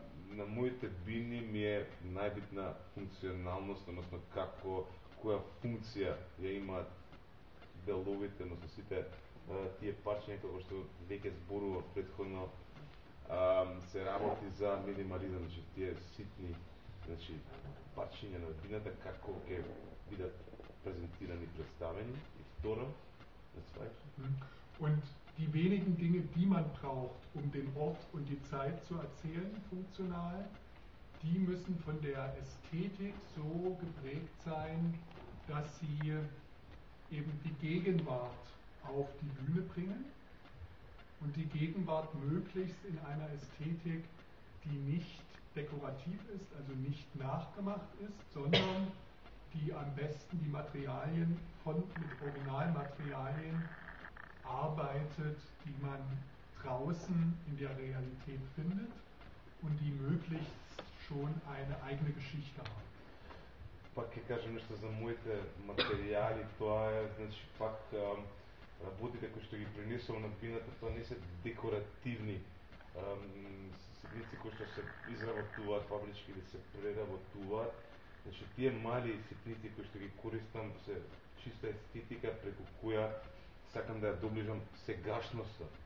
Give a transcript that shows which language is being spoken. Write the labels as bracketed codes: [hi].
[mk] Na mojte bini mi je najbitna funkcionalnost, odnosno kako, koja funkcija je ima деловите, односно сите тие парчиња, како што веќе зборував предходно, се работи за минимализам, значи тие ситни, значи парчиња на бината, како ќе бидат презентирани, представени, и второ, на свајќе. [de] Und die wenigen Dinge, die man braucht, um den Ort und die Zeit zu erzählen, funktional, die müssen von der Ästhetik so geprägt sein, dass sie eben die Gegenwart auf die Bühne bringen und die Gegenwart möglichst in einer Ästhetik, die nicht dekorativ ist, also nicht nachgemacht ist, sondern die am besten die Materialien von mit Originalmaterialien arbeitet, die man draußen in der Realität findet und die möglichst schon eine eigene Geschichte hat. [mk] Пак ќе кажам нешто за моите материјали, тоа е, значи, пак работите кои што ги принесувам на бината, тоа не се декоративни ситници кои што се изработуваат фабрички или се преработуваат. Значи, тие мали ситници кои што ги користам се чиста естетика преку која сакам да ја доближам сегашноста.